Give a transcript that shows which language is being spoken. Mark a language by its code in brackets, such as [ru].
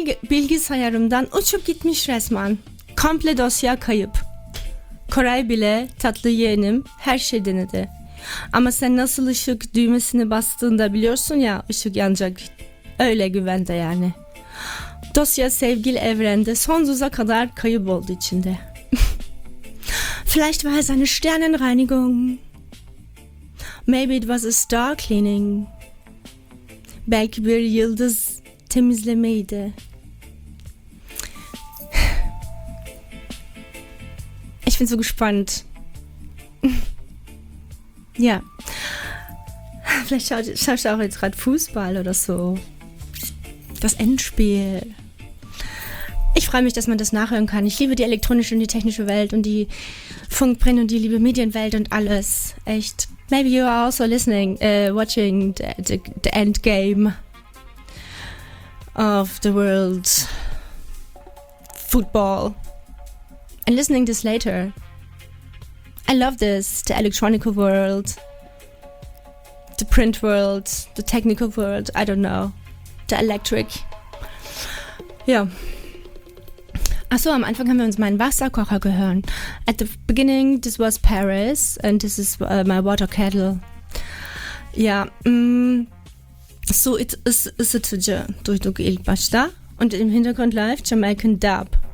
[tr] Bilgisayarımdan uçup gitmiş resmen. Komple dosya kayıp. Koray bile, tatlı yeğenim, her şey denedi. Ama sen nasıl ışık düğmesini bastığında biliyorsun ya, ışık yanacak. Öyle güvende yani. Dosya sevgili evrende sonsuza kadar kayıp oldu içinde. [de] Vielleicht war es eine Sternenreinigung. [en] Maybe it was a star cleaning. [tr] Belki bir yıldız temizlemeydi. [de] Ich bin so gespannt. Ja. Vielleicht schaust du auch jetzt gerade Fußball oder so. Das Endspiel. Ich freue mich, dass man das nachhören kann. Ich liebe die elektronische und die technische Welt und die Funkbrenn und die liebe Medienwelt und alles. Echt. [en] Maybe you are also listening, watching the endgame of the world football and listening this later. I love this, the electronic world, the print world, the technical world, I don't know, the electric. Yeah. [de] Achso, am Anfang haben wir uns meinen Wasserkocher gehört. [en] At the beginning, this was Paris and this is my water kettle. Ja, so it is it durch die Ilbasta. [de] Und im Hintergrund läuft Jamaican Dub.